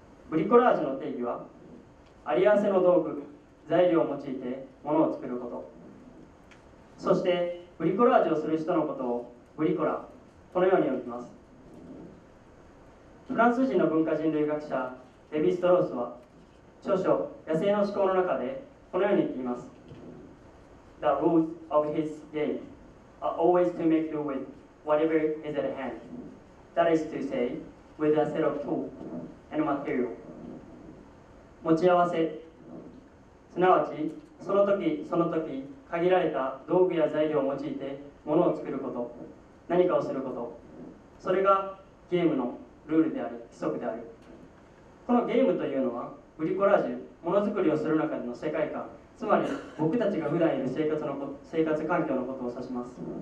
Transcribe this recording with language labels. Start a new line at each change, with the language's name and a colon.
Japanese: ブリコラージュの定義は、あり合わせの道具、材料を用いて物を作ること。そしてブリコラージュをする人のことをブリコラ、このように呼びます。フランス人の文化人類学者レヴィ・ストロースは著書野生の思考の中でこのように言っています。
English: The rules of his game are always to make do with whatever is at hand. That is to say, with a set of tools and material.
Japanese: 持ち合わせ、すなわちその時その時限られた道具や材料を用いて物を作ること、何かをすること、それがゲームのルールである、規則である。このゲームというのはブリコラージュ、ものづくりをする中での世界観、つまり僕たちが普段いる生活環境のことを指します。